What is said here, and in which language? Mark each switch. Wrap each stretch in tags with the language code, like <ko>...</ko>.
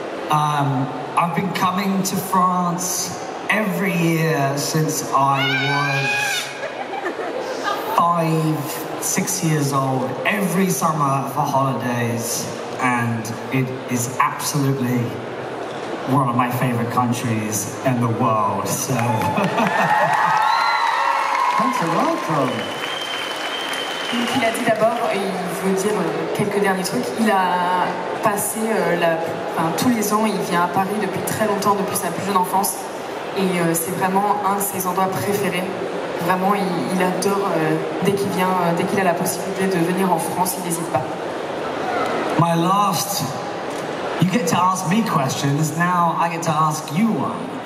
<en>I've been coming to France every year since I was 5, 6 years old, every summer for holidays, and it is absolutely one of my favorite countries in the world, so.</en> <fr>Donc il a dit d'abord, et il veut dire quelques derniers trucs, il a passé tous les ans, il vient à Paris depuis très longtemps, depuis sa plus jeune enfance, et c'est vraiment un de ses endroits préférés. Vraiment, il adore, dès qu'il a la possibilité de venir en France, il n'hésite pas.</fr> <en>My last, you get to ask me questions, now I get to ask you one.</en>